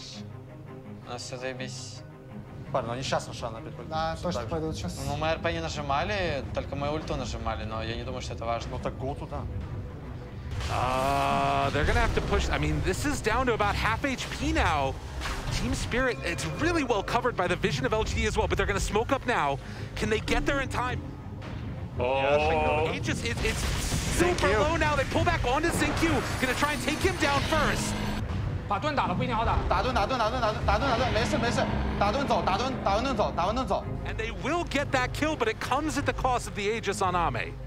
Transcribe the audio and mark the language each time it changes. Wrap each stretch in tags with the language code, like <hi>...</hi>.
<zh>实话说，这一波帕克有点拖沓了，主要是他不知道。</zh> <ru>Надо мне идти, парни, пошить. У меня БКБ 500. У меня очень много времени тратить на эту вышку. Не блин, появилось. У нас все заебись. Парни, они сейчас на шана бегут. Да, точно пойдут сейчас. Ну, мы РП не нажимали, только мы ульту нажимали, но я не думаю, что это важно. Ну, так гоу туда.</ru> <en>They're gonna have to push. I mean, this is down to about half HP now. Team Spirit, it's really well covered by the vision of LGD as well, but they're gonna smoke up now. Can they get there in time? Oh. Aegis, it's super low now. They pull back onto ZQ. Gonna try and take him down first.</en> <zh>打盾打了不一定好打，打盾，没事，打盾走。</zh> <en>And they will get that kill, but it comes at the cost of the Aegis on Ame.</en>